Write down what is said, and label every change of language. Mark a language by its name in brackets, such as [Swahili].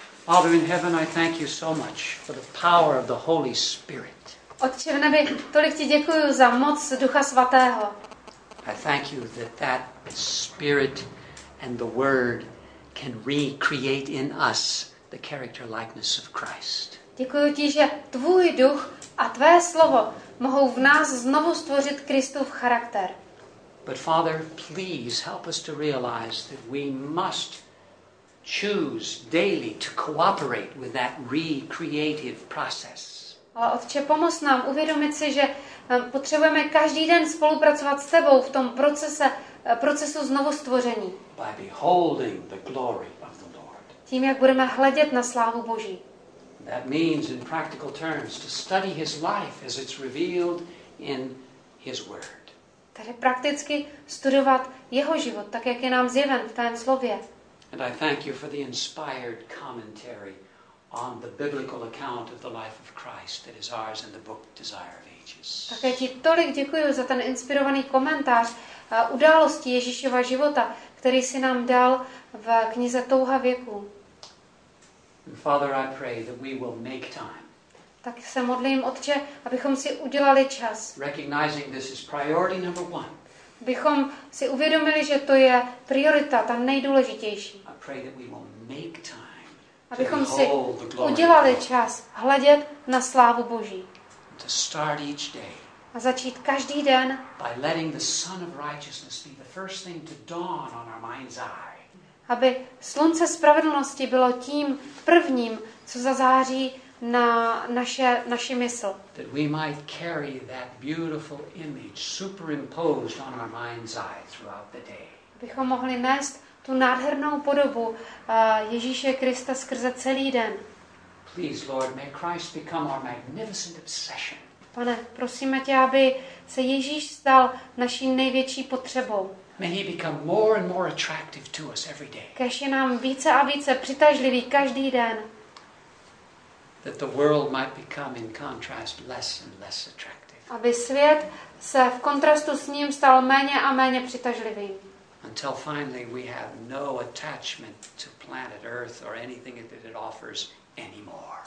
[English] Father in heaven, I thank you so much for the power of the Holy Spirit. [Czech] Otče v nebi, tolik ti děkuju za moc Ducha Svatého. [English] I thank you that that Spirit and the Word can recreate in us the character likeness of Christ. [Czech] Děkuju ti, že tvůj duch a tvé slovo mohou v nás znovu stvořit Kristův charakter. [English] But Father, please help us to realize that we must choose daily to cooperate with that recreative process. [Czech] Ale Otče, pomoz nám uvědomit si, že potřebujeme každý den spolupracovat s tebou v tom procesu znovustvoření. [English] By beholding the glory of the Lord. [Czech] Tím, jak budeme hledět na slávu Boží. [English] That means in practical terms to study his life as it's revealed in his word. [Czech] Tedy prakticky studovat jeho život, tak jak je nám zjeven v tém slově. [English] And I thank you for the inspired commentary on the biblical account of the life of Christ that is ours in the book Desire of Ages. [Czech] Také ti tolik děkuji za ten inspirovaný komentář události Ježíšova života, který si nám dal v knize Touha věků. [English] Father, I pray that we will make time. [Czech] Tak se modlím, Otče, abychom si udělali čas. [English] Recognizing this is priority number one. [Czech] Bychom si uvědomili, že to je priorita, ta nejdůležitější. [English] I pray that we will make time. [Czech] Abychom si udělali čas hledět na slávu Boží. [English] To start each day. [Czech] A začít každý den. [English] By letting the sun of righteousness be the first thing to dawn on our mind's eye. [Czech] Aby slunce spravedlnosti bylo tím prvním, co zazáří na naši mysl. [English] That we might carry that beautiful image superimposed on our mind's eye throughout the day. [Czech] Abychom mohli nést tu nádhernou podobu Ježíše Krista skrze celý den. [English] Please, Lord, may Christ become our magnificent obsession. [Czech] Pane, prosíme tě, aby se Ježíš stal naší největší potřebou. [English] May he become more and more attractive to us every day. [Czech] Kéž je nám více a více přitažlivý každý den. [English] That the world might become in contrast less and less attractive. [Czech] Aby svět se v kontrastu s ním stal méně a méně přitažlivý. [English] Until finally we have no attachment to planet Earth or anything that it offers anymore.